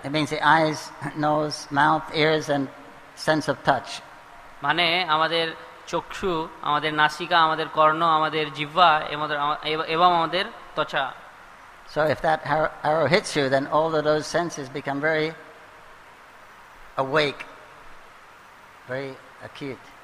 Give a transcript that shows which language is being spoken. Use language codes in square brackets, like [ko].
[en] It means the eyes, nose, mouth, ears and sense of touch. [bn] মানে আমাদের চক্ষু, আমাদের নাসিকা, আমাদের কর্ণ, আমাদের জিহ্বা এবং আমাদের ত্বচা। [en] So if that arrow hits you, then all of those senses become very awake, very acute.